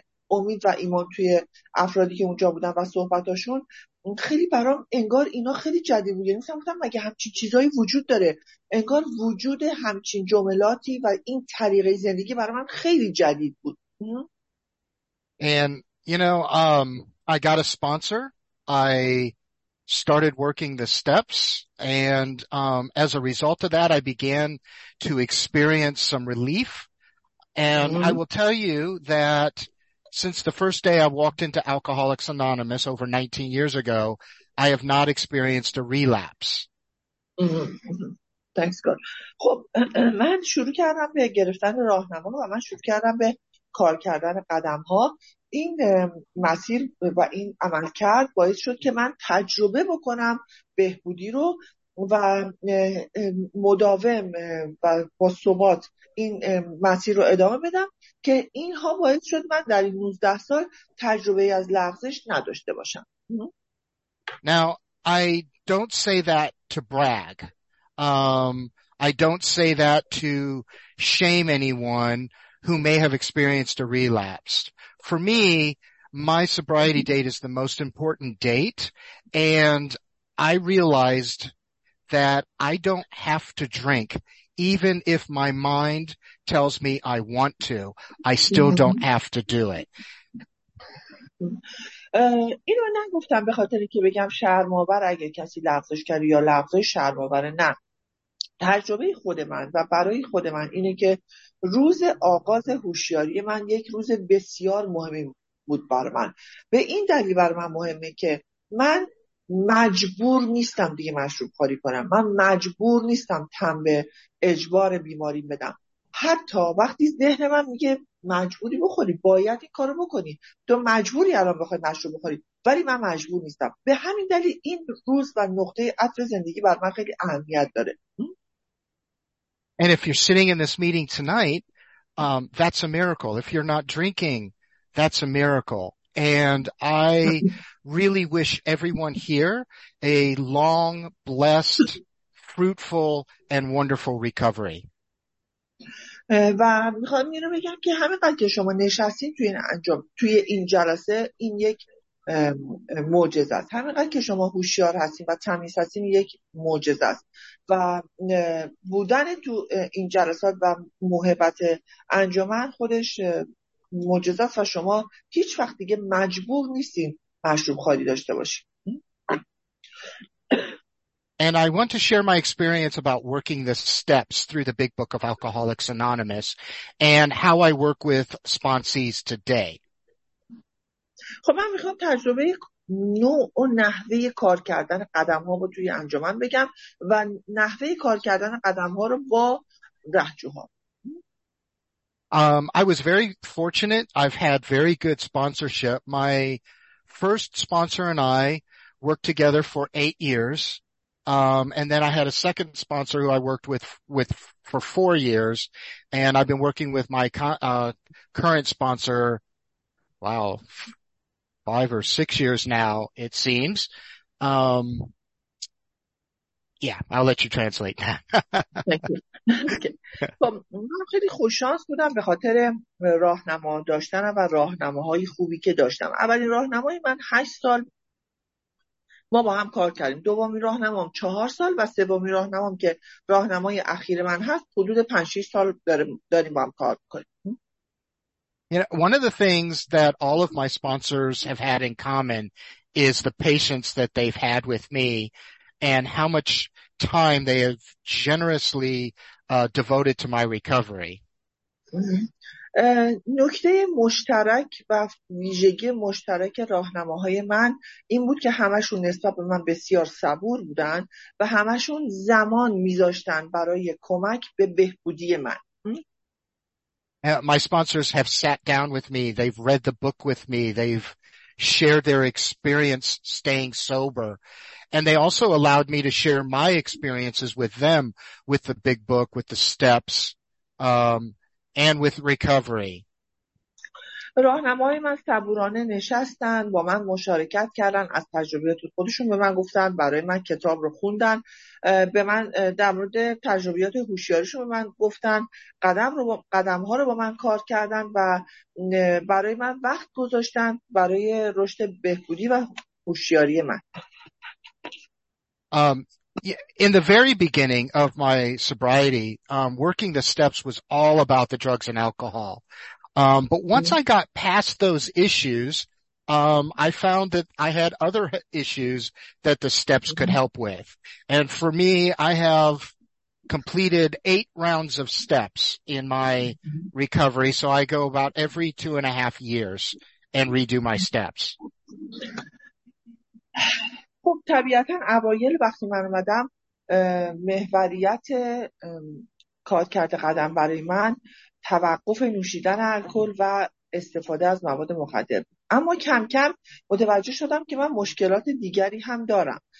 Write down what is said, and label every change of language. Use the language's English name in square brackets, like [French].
[Persian] امید و ایمان توی افرادی که اونجا بودن و صحبتاشون خیلی برام انگار اینا خیلی جدید بود. یعنی مثلا گفتم مگه همچین چیزایی وجود داره؟ انگار وجود همچین جملاتی و این طریقه زندگی برای من خیلی جدید بود. [English] And you know, I got a sponsor. I started working the steps and as a result of that I began to experience some relief. And I will tell you that since the first day I walked into Alcoholics Anonymous over 19 years ago, I have not experienced a relapse. Thanks, God. [Persian] خب من شروع کردم به گرفتن راهنما و من شروع کردم به کار کردن قدم ها. این مسیر و این عمل کرد باعث شد که من تجربه بکنم بهبودی رو و مداوم و با ثبات این مسیر رو ادامه بدم که اینها باعث شد من در این 19 سال تجربه‌ای از لغزش نداشته باشم. [English] Now, I don't say that to brag. I don't say that to shame anyone who may have experienced a relapse. For me, my sobriety date is the most important date, and I realized that I don't have to drink, even if my mind tells me I want to, I still don't have to do it. [Persian] اینو نگفتم به خاطر اینکه بگم شرم‌آور اگه کسی لغزش کرد یا لغزش شرم‌آور، نه. تجربه خود من و برای خود من اینه که روز آغاز هوشیاری من یک روز بسیار مهمی بود برای من. به این دلیل برای من مهمه که من مجبور نیستم دیگه مشروب خوری کنم. من مجبور نیستم تن به اجبار بیماری بدم. حتی وقتی ذهن من میگه مجبوری بخوری، باید این کارو بکنی، تو مجبوری الان بخوای مشروب بخوری، ولی من مجبور نیستم. به همین دلیل این روز و نقطه عطف زندگی برای من خیلی اهمیت داره. [English] And if you're sitting in this meeting tonight, that's a miracle. If you're not drinking, that's a miracle. And I really wish everyone here a long, blessed, fruitful, and wonderful recovery. [Persian] و میخوام اینو بگم که همه قدر که شما نشستین توی این انجام توی این جلسه، این یک معجزه است. همه قدر که شما هوشیار هستین و تمیز هستین یک معجزه است و بودن تو این جلسات و محبت انجمن خودش معجزه است و شما هیچ وقت دیگه مجبور نیستین مشروب خالی داشته باشین. [English] And I want to share my experience about working the steps through the Big Book of Alcoholics Anonymous and how I work with sponsees today. [Persian] خب من میخوام تجربه نوع و نحوه کار کردن قدم ها رو توی انجمن بگم و نحوه کار کردن قدم ها رو با رهجوها. [English] I was very fortunate. I've had very good sponsorship. My first sponsor and I worked together for 8 years. And then I had a second sponsor who I worked with for 4 years. And I've been working with my current sponsor, wow, 5 or 6 years now, it seems. Yeah, I'll let you translate. Thank you. [Persian] من خیلی خوششانس بودم به خاطر راهنما داشتنم و راهنماهای خوبی که داشتم. اولین راهنمای من 8 سال ما با هم کار کردیم. دومین راهنمام 4 سال و سومین راهنمام که راهنمای اخیر من هست حدود 5-6 سال داریم با هم کار می‌کنیم. [English] You know, one of the things that all of my sponsors have had in common is the patience that they've had with me and how much time they have generously devoted to my recovery. [Persian] نکته مشترک و ویژگی مشترک راهنماهای من این بود که همشون نسبت به من بسیار صبور بودن و همشون زمان می‌ذاشتن برای کمک به بهبودی من. [English] My sponsors have sat down with me. They've read the book with me. They've shared their experience staying sober. And they also allowed me to share my experiences with them, with the Big Book, with the steps, and with recovery. [Persian] راهنمای من صبورانه نشستن، با من مشارکت کردن، از تجربیات خودشون به من گفتن، برای من کتاب رو خوندن، به من در مورد تجربیات هوشیاریشون به من گفتن، قدم‌ها رو با من کار کردن و برای من وقت گذاشتن برای رشد بهبودی و هوشیاری من. [English] In the very beginning of my sobriety, working the steps was all about the drugs and alcohol. But once I got past those issues, I found that I had other issues that the steps could help with. And for me, I have completed 8 rounds of steps in my recovery. So I go about every 2.5 years and redo my steps. [Persian] خب طبیعتاً اوایل وقتی من اومدم محوریت کار کرده قدم برای من توقف نوشیدن الکل و استفاده از مواد مخدر. اما کم کم متوجه شدم که من مشکلات دیگری هم دارم.